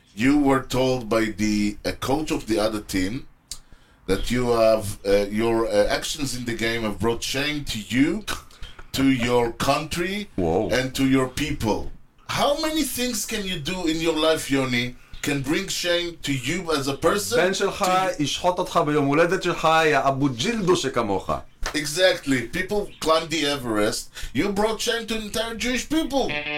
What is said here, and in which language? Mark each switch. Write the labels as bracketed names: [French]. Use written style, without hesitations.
[English] you were told by the coach of the other team that you have your actions in the game have brought shame to you, to your country, whoa, and to your people. How many things can you do in your life, Yoni, can bring shame to you as a person? [Hebrew] בן שלך ישחוט אותך ביום הולדת שלך, יא אבו ג'ילדו שכמוך. [English] Exactly. People climbed the Everest. You brought shame to the entire Jewish people.